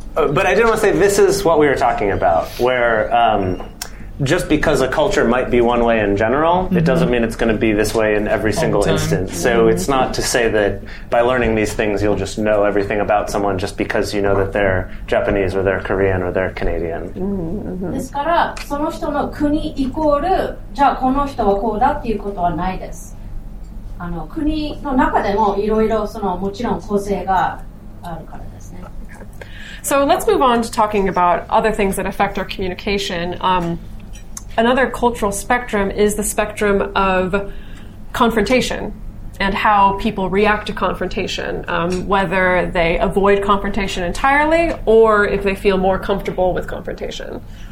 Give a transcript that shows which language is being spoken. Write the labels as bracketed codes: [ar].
[en] But I did want to say, this is what we were talking about, where just because a culture might be one way in general, mm-hmm. it doesn't mean it's going to be this way in every single instance. So mm-hmm. it's not to say that by learning these things, you'll just know everything about someone just because you know that they're Japanese or they're Korean or they're Canadian. Mm-hmm. [ja] ですから、その人の国イコール、じゃあこの人はこうだっていうことはないです。国の中でもいろいろその、もちろん個性があるから。 [en] So let's move on to talking about other things that affect our communication. Another cultural spectrum is the spectrum of confrontation and how people react to confrontation, whether they avoid confrontation entirely or if they feel more comfortable with confrontation.